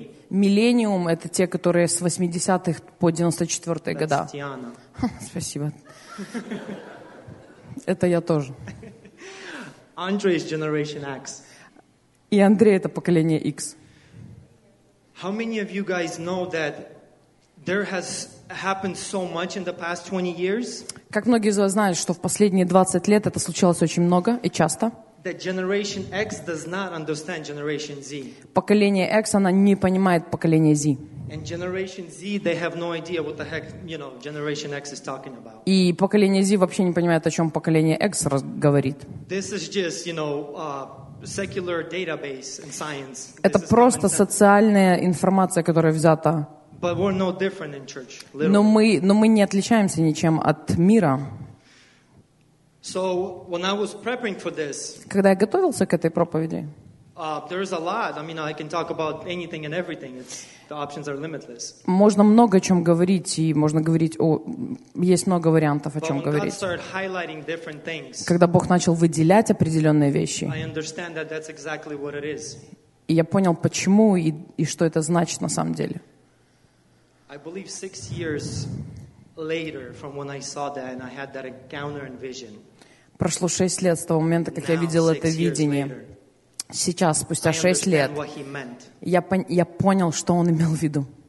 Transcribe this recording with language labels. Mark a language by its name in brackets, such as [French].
[Russian] Миллениум — это те, которые с 80-х по 94-е года. Спасибо. Это я тоже. [English] Andre is Generation X. [Russian] И Андрей — это поколение X. [English] How many of you guys know that there has happened so much in the past 20 years? [Russian] Как многие из вас знают, что в последние 20 лет это случалось очень много и часто. [English] That Generation X does not understand Generation Z. [Russian] Поколение X, она не понимает поколение Z. [English] And Generation Z, they have no idea what the heck, you know, Generation X is talking about. [Russian] И поколение Z вообще не понимает, о чем поколение X говорит. [English] This is just, you know, secular database and science. [Russian] Это просто социальная информация, которая взята. [English] But we're no different in church, literally. [Russian] Но мы не отличаемся ничем от мира. [English] So when I was prepping for this, [Russian] когда я готовился к этой проповеди, [English] there is a lot. I mean, I can talk about anything and everything. It's, the options are limitless. [Russian] Можно много о чем говорить, и можно говорить о... Есть много вариантов, о чем говорить. [English] But when God started highlighting different things, [Russian] когда Бог начал выделять определенные вещи, [English] I understand that that's exactly what it is. [Russian] И я понял, почему и что это значит на самом деле. [English] I believe 6 years later, from when I saw that and I had that encounter and vision. [Russian] Прошло 6 лет с того момента, как я видел это видение. Сейчас, спустя 6 лет, я понял, что он имел в виду.